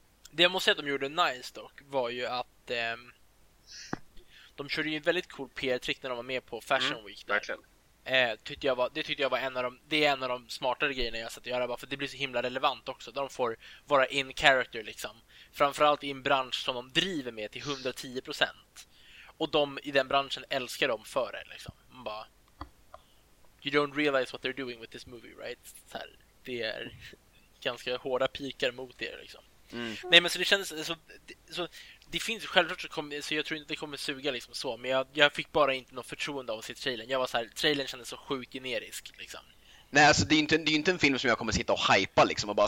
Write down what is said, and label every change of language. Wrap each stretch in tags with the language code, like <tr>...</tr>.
<sv>Det jag måste säga att de gjorde nice dock var ju att de körde ju en väldigt cool PR-trick när de var med på Fashion Week där. Det är en av de smartare grejerna jag satt att göra, bara för det blir så himla relevant också. De får vara in character liksom, framförallt i en bransch som de driver med till 110%, och de i den branschen älskar dem för det liksom. Man bara,</sv> <en>you don't realize what they're doing with this movie, right?</en> <sv>Så här, det är ganska hårda pikar mot det liksom. Nej, men så det känns så det finns självklart så jag tror inte det kommer suga liksom så, men jag fick bara inte något förtroende av att se trailern. Jag var så här, trailern kändes så sjukt generisk liksom. Nej, alltså det är inte en film som jag kommer sitta och hypa liksom och bara</sv>